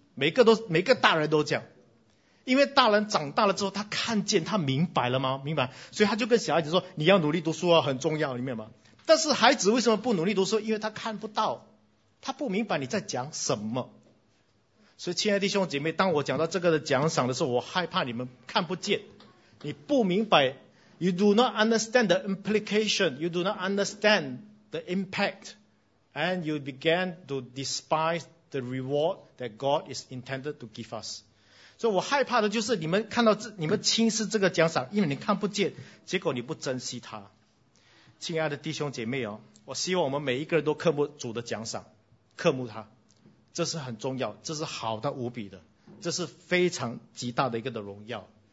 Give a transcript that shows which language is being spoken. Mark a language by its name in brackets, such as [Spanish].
[Chinese] 每个大人都讲。因为大人长大了之后，他看见，他明白了吗？明白。所以他就跟小孩子说，你要努力读书啊，很重要，明白吗？但是孩子为什么不努力读书？因为他看不到，他不明白你在讲什么。所以亲爱的弟兄姐妹，当我讲到这个的奖赏的时候，我害怕你们看不见，你不明白。 [English] You do not understand the implication, you do not understand the impact, and you began to despise the reward that God is intended to give us. [Chinese] 所以我害怕的就是你们看到你们轻视这个奖赏，因为你看不见，结果你不珍惜它。亲爱的弟兄姐妹哦，我希望我们每一个人都渴慕主的奖赏，渴慕他，这是很重要，这是好到无比的，这是非常极大的一个的荣耀。